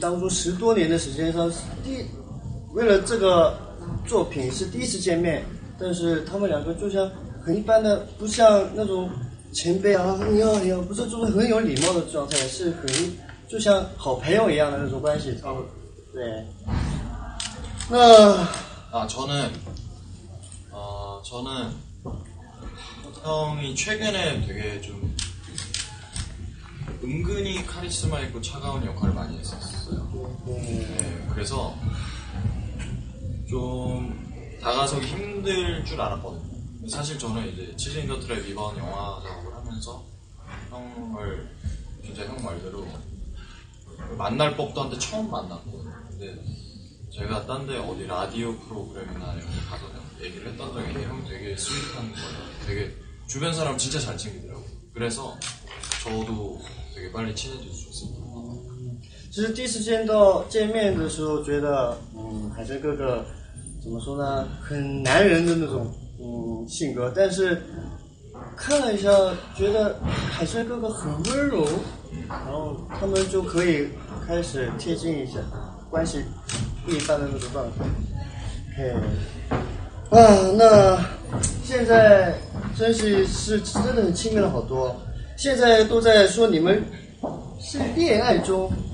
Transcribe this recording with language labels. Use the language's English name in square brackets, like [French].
[Chinese] 其实比海珍哥哥是前辈两年比他快两年出道的但是在这个演戏当中十多年的时间上第 为了这个作品是第一次见面，但是他们两个就像很一般的，不像那种前辈啊，你好你好，不是就是很有礼貌的状态，是很就像好朋友一样的那种关系。对，那啊，저는 [Korean] 형이 최근에 되게 좀 은근히 카리스마 있고 차가운 역할을 많이 했었어요. 네, 그래서. 좀 다가서기 힘들 줄 알았거든요. 사실 저는 이제 치즈 인 더 트랩 이번 영화 작업을 하면서 형을 진짜 형 말대로 만날 법도 한데 처음 만났거든요. 근데 제가 딴 데 어디 라디오 프로그램이나 이런 데 가서 얘기를 했던 적이 있는데 형 되게 스윗한 거예요. 되게 주변 사람 진짜 잘 챙기더라고요. 그래서 저도 되게 빨리 친해질 수 있습니다. [Chinese] 其实第一次见到见面的时候，觉得海珍哥哥怎么说呢，很男人的那种性格。但是看了一下，觉得海珍哥哥很温柔，然后他们就可以开始贴近一下，关系一般的那种状态。嘿，啊，那现在真是真的很亲密了好多。现在都在说你们是恋爱中。